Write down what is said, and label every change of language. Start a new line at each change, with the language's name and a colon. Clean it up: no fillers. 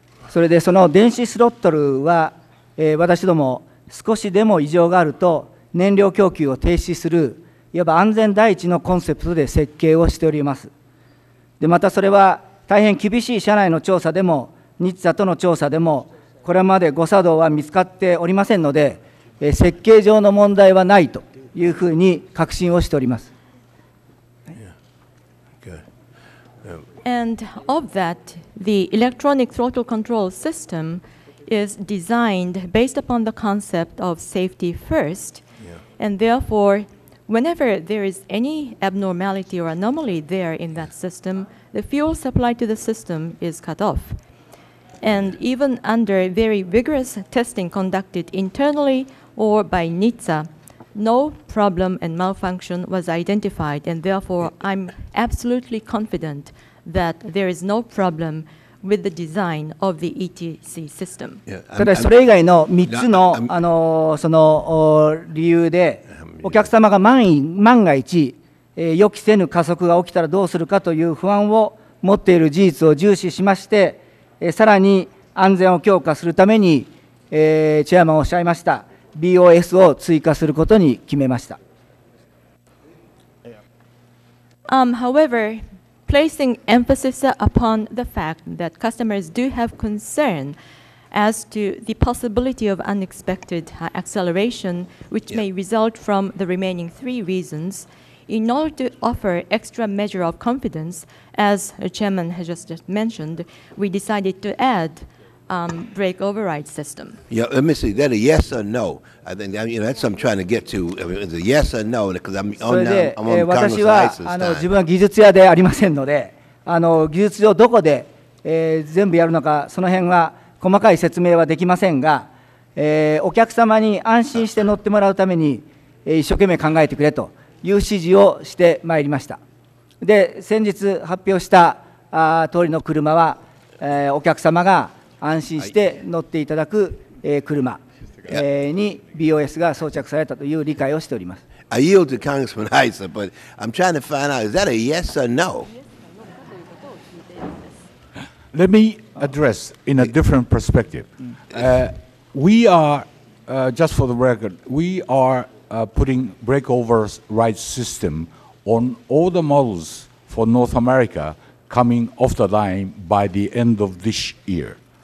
Japanese: それでその電子スロットルは、私ども少しでも異常があると燃料供給を停止するいわば安全第一のコンセプトで設計をしております。でまたそれは大変厳しい社内の調査でも日座との調査でもこれまで誤作動は見つかっておりませんので、設計上の問題はないというふうに確信をしております。
English: And of that, the electronic throttle control system is designed based upon the concept of safety first, and therefore, whenever there is any abnormality or anomaly there in that system, the fuel supply to the system is cut off. And even under very rigorous testing conducted internally or by NHTSA, no problem and malfunction was identified, and therefore, I'm absolutely confident that there is no problem with the design of the ETC system.
Japanese: ただそれ以外の3つの、あの、その理由でお客様が万が一、予期せぬ加速が起きたらどうするかという不安を持っている事実を重視しまして、さらに安全を強化するために、チェアマンおっしゃいました BOS を追加することに決めました。
English: However,placing emphasis upon the fact that customers do have concern as to the possibility of unexpected acceleration, which may result from the remaining three reasons, in order to offer extra measure of confidence, as the chairman has just mentioned, we decided to add brake override system. Yeah, let me see. Is that a yes or no? I think, you know, that's what I'm trying to get to. Is it yes or no? Because I'm on the Congress of Eisenstein.
Japanese: 私は自分は技術屋でありませんので、技術上どこで、全部やるのか、その辺は細かい説明はできませんが、お客様に安心して乗ってもらうために、一生懸命考えてくれという指示をしてまいりました。で、先日発表した通りの車は、お客様が安心して乗っていただく車に BOS が装着されたという理解をしております。
English: I yield to Congressman Heiser, but I'm trying to find out, is that a yes or no? Let me address in a different perspective. We are, just for the record, we are putting brake override system on all the models for North America coming off the line by the end of this year.